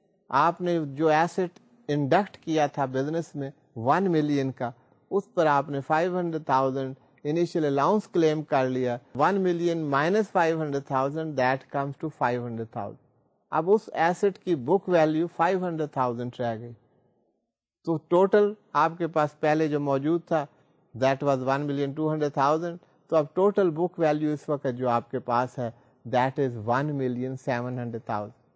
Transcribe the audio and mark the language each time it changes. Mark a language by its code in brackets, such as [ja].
[hi] आपने जो asset induct किया था business में 1 million का, उस पर आपने 500,000 initial allowance claim कर लिया. [en] 1 million minus 500,000, that comes to 500,000. [hi] अब उस asset की book value 500,000 रह गई. तो total आपके पास पहले जो मौजूद था, [en] that was 1,200,000. [hi] तो अब total book value इस वक्त जो आपके पास है, [en] that is 1,700,000.